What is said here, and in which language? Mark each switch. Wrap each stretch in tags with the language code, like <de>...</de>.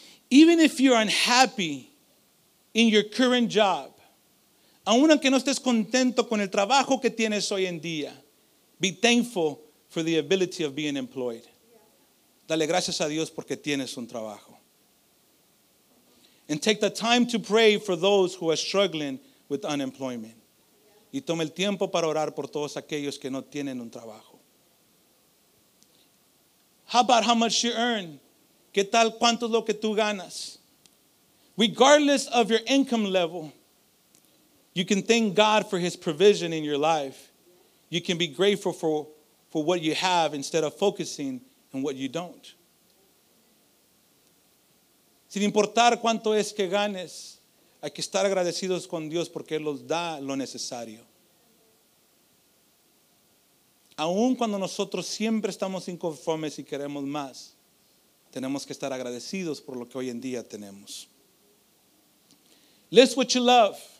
<en>Even if you're unhappy in your current job,</en> <es>aun aunque no estés contento con el trabajo que tienes hoy en día,</es> <en>be thankful for the ability of being employed.</en> <es>Dale gracias a Dios porque tienes un trabajo.</es> <en>And take the time to pray for those who are struggling with unemployment.</en> <es>Y toma el tiempo para orar por todos aquellos que no tienen un trabajo.</es> <en>How about how much you earn?</en> <es>¿Qué tal cuánto es lo que tú ganas?</es> <en>Regardless of your income level, you can thank God for his provision in your life. You can be grateful for what you have instead of focusing on what you don't.</en> <es>Sin importar cuánto es que ganes, hay que estar agradecidos con Dios porque Él nos da lo necesario. Aun cuando nosotros siempre estamos inconformes y queremos más, tenemos que estar agradecidos por lo que hoy en día tenemos.</es> <en>List what you love.</en>